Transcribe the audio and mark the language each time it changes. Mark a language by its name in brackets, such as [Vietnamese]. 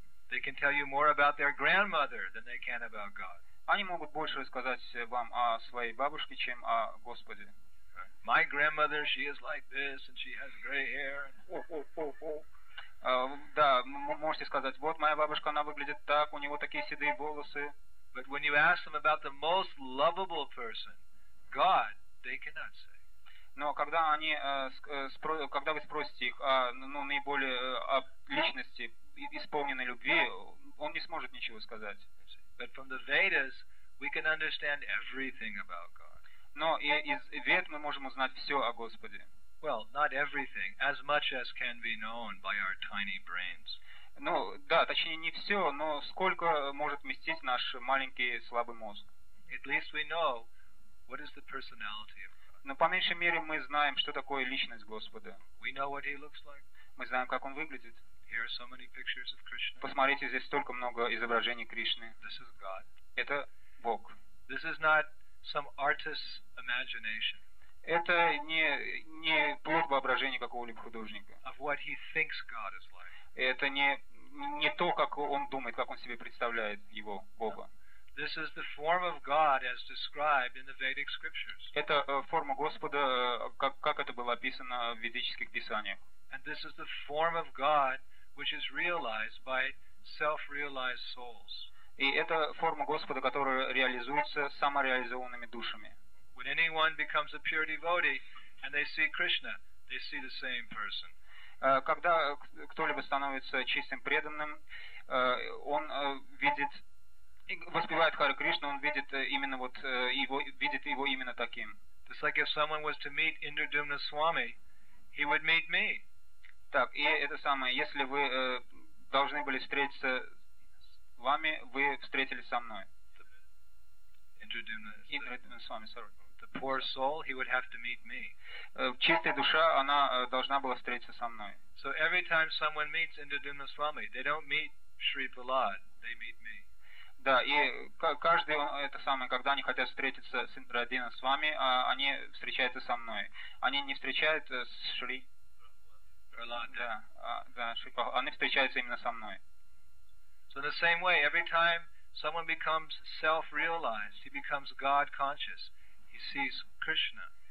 [English] They can tell you more about their grandmother than they can about God. [Russian] Они могут больше рассказать вам о своей бабушке, чем о Господе. [English] My grandmother, she is like this, and she has gray hair. [Russian] Да, можете сказать, вот моя бабушка, она выглядит так, у него такие седые волосы. [English] But when you ask them about the most lovable person, God, they cannot say. [Russian] Но когда они когда вы спросите их о наиболее о личности исполненной любви, он не сможет ничего сказать. [English] But from the Vedas we can understand everything about God. [Russian] Но из Вед мы можем узнать все о Господе. [English] Well, not everything, as much as can be known by our tiny brains. [Russian] Ну да, точнее не все, но сколько может вместить наш маленький слабый мозг. [English] At least we know what is the personality of. [Russian] Но по меньшей мере мы знаем, что такое личность Господа. [English] We know what he looks like. [Russian] Мы знаем, как он выглядит. [English] Here are so many pictures of Krishna. [Russian] Посмотрите, здесь столько много изображений Кришны. [English] This is God. [Russian] Это Бог. [English] This is not some artist's imagination. [Russian] Это не плод воображения какого-либо художника. [English] Of what he thinks God is like. [Russian] Это не то, как он думает, как он себе представляет его Бога. [English] This is the form of God as described in the Vedic scriptures. [Russian] Это форма Господа, как это было описано в ведических писаниях. [English] And this is the form of God which is realized by self-realized souls. [Russian] И это форма Господа, которая реализуется самореализованными душами. [English] When anyone becomes a pure devotee and they see Krishna, they see the same person. [Russian] Когда кто-либо становится чистым преданным, он видит и воспевает Харе Кришну, он видит именно вот его, видит его именно таким. [English] Just like if someone was to meet Indradumna Swami, he would meet me. [Russian] Так, и это самое, если вы должны были встретиться с вами, вы встретились со мной. [English] Indradumna Swami, sorry. The poor soul, he would have to meet me. [Russian] Чистая душа, она должна была встретиться со мной. [English] So every time someone meets Indradumna Swami, they don't meet Shri Prahlad, they meet me. [Russian] Да, и каждый, это самое, когда они хотят встретиться с Индрадина с вами, они встречаются со мной. Они не встречают с Шри Прахлад. Да, да, Шри Прахлад. Они встречаются именно со мной. [English] So the same way, every time someone becomes self-realized, he becomes God-conscious, he sees Krishna.